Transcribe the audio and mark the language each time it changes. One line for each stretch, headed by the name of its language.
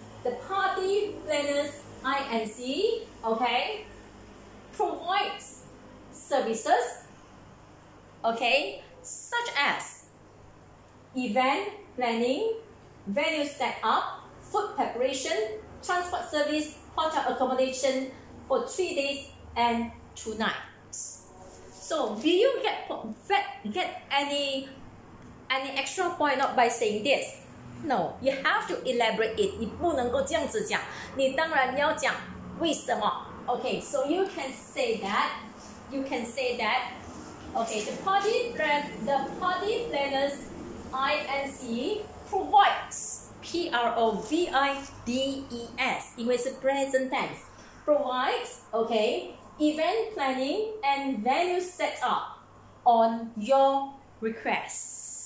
English: The party planners INC, okay, provides services, okay, such as event planning, venue setup, food preparation, transport service, hotel accommodation for 3 days and two nights. So, do you get any extra point not by saying this? No, you have to elaborate it.
Chinese: 你不能够这样子讲, 你当然要讲为什么?
English: Okay, so you can say that. You can say that. Okay, the party planners INC provides, P-R-O-V-I-D-E-S,
Chinese: 因为是
English: present tense, provides, okay, event planning and venue setup on your request.